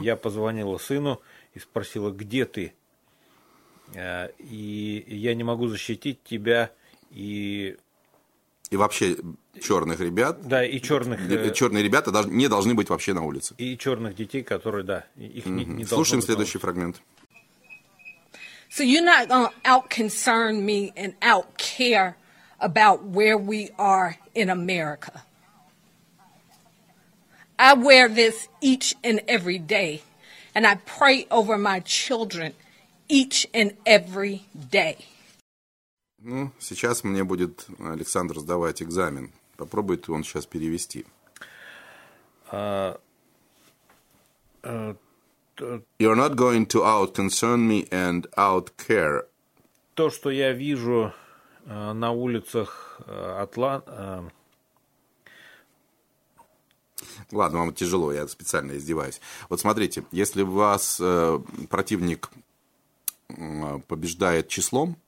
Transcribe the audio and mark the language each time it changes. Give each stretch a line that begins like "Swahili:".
Russian: Я позвонила сыну и спросила, где ты? И я не могу защитить тебя и... И вообще черных ребят. Да, и черных... Черные ребята даже не должны быть вообще на улице. И черных детей, которые, да, их не должны быть. Слушаем следующий фрагмент.
English: So you're not going to out-concern me and out-care about where we are in America. I wear this each and every day, and I pray over my children each and every day.
Russian: Ну, сейчас мне будет Александр сдавать экзамен. Попробует он сейчас перевести.
English: You're not going to out-concern me and out-care.
Russian: То, что я вижу на улицах Атланты... Ладно, вам тяжело, я специально издеваюсь. Вот смотрите, если у вас противник побеждает числом,